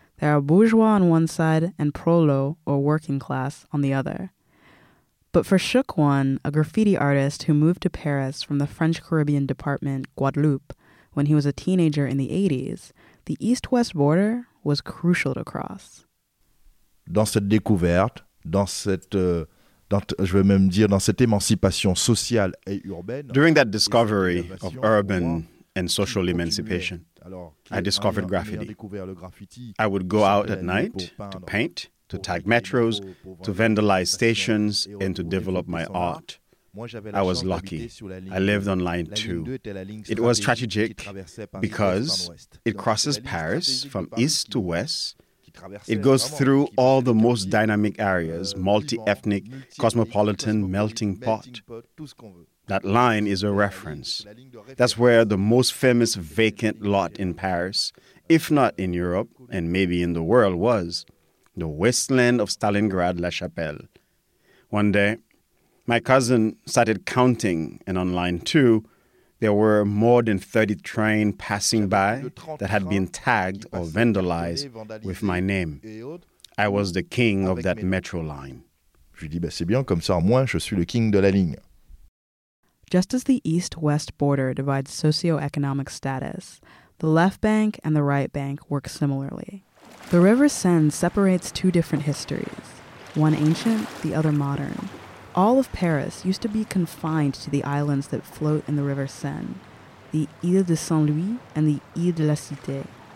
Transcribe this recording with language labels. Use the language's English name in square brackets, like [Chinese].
[English] There are bourgeois on one side and prolo, or working class, on the other. But for Shukwan, a graffiti artist who moved to Paris from the French Caribbean department Guadeloupe when he was a teenager in the 80s, the East-West border was crucial to cross. [French] Dans cette découverte, je vais même dire dans cette émancipation sociale et urbaine. [English] During that discovery of urban and social emancipation, I discovered graffiti. I would go out at night to paint, to tag metros, to vandalize stations, and to develop my art. I was lucky. I lived on line 2. It was strategic because it crosses Paris from east to west. It goes through all the most dynamic areas, multi-ethnic, cosmopolitan, melting pot. That line is a reference. That's where the most famous vacant lot in Paris, if not in Europe and maybe in the world, was. the wasteland of Stalingrad, La Chapelle. One day, my cousin started counting, and on line two, there were more than 30 trains passing by that had been tagged or vandalized with my name. I was the king of that metro line. [French] Je lui dis, bah, c'est bien, comme ça, moi, je suis le king de la ligne. [English] Just as the east-west border divides socioeconomic status, the left bank and the right bank work similarly. The River Seine separates two different histories, one ancient, the other modern. All of Paris used to be confined to the islands that float in the River Seine, the Île de Saint-Louis and the Île de la Cité.